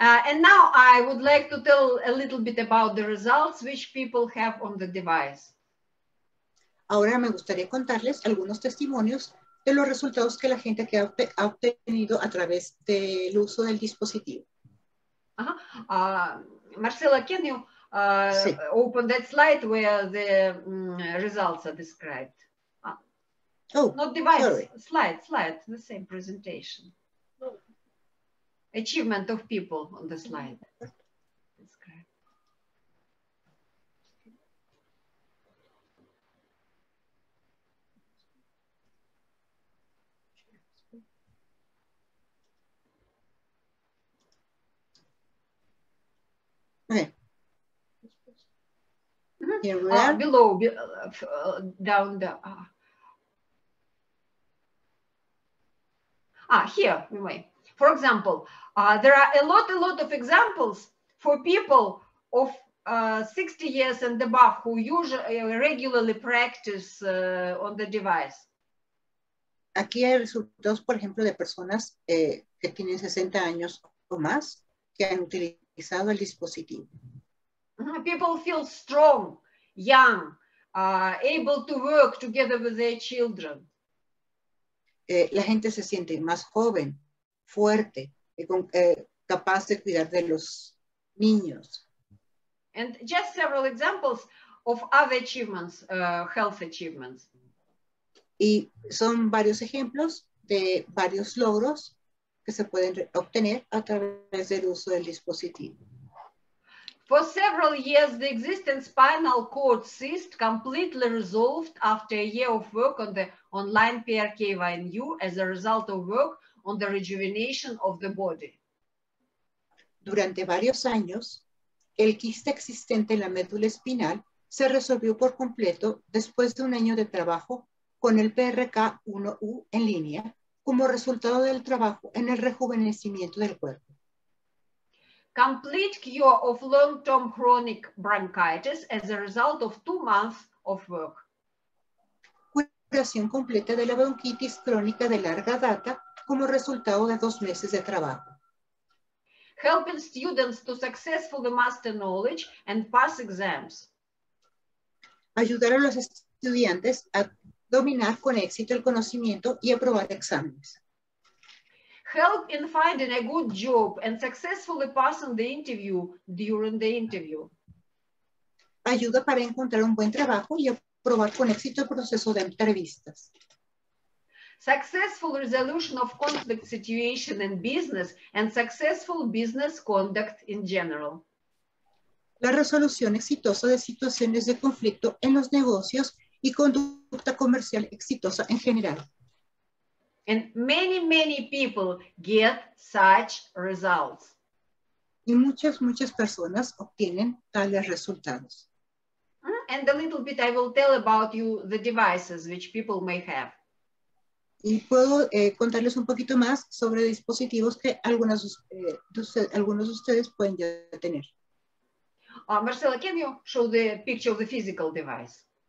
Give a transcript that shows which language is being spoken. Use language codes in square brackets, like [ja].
[en] And now I would like to tell a little bit about the results which people have on the device. [es] Ahora me gustaría contarles algunos testimonios de los resultados que la gente que ha obtenido a través del uso del dispositivo. [en] Marcela, can you open that slide where the results are described? Not device, sorry. slide, the same presentation. Achievement of people on the slide. Okay. Here we are. Here we may. For example, there are a lot of examples for people of 60 years and above who usually regularly practice on the device. [es] Aquí hay resultados, por ejemplo, de personas que tienen 60 años o más que han utilizado. El dispositivo. [en] People feel strong, young, able to work together with their children. [es] La gente se siente más joven, fuerte, y con, capaz de cuidar de los niños. [en] And just several examples of other achievements, health achievements. [es] Y son varios ejemplos de varios logros que se pueden obtener a través del uso del dispositivo. [en] For several years, the existing spinal cord cyst completely resolved after a year of work on the online PRKYNU as a result of work on the rejuvenation of the body. [es] Durante varios años, el quiste existente en la médula espinal se resolvió por completo después de un año de trabajo con el PRK1U en línea como resultado del trabajo en el rejuvenecimiento del cuerpo. [en] Complete cure of long-term chronic bronchitis as a result of 2 months of work. [es] Curación completa de la bronquitis crónica de larga data como resultado de 2 meses de trabajo. [en] Helping students to successfully master knowledge and pass exams. [es] Ayudar a los estudiantes a dominar con éxito el conocimiento y aprobar exámenes. [en] Help in finding a good job and successfully passing the interview during the interview. [es] Ayuda para encontrar un buen trabajo y aprobar con éxito el proceso de entrevistas. [en] Successful resolution of conflict situation in business and successful business conduct in general. [es] La resolución exitosa de situaciones de conflicto en los negocios y conducta comercial exitosa en general. [en] And many, many people get such results. [es] Y muchas, muchas personas obtienen tales resultados. [en] And a little bit I will tell about you the devices which people may have. [es] Y puedo contarles un poquito más sobre dispositivos que algunos de ustedes pueden ya tener. [en] Marcela, can you show the picture of the physical device?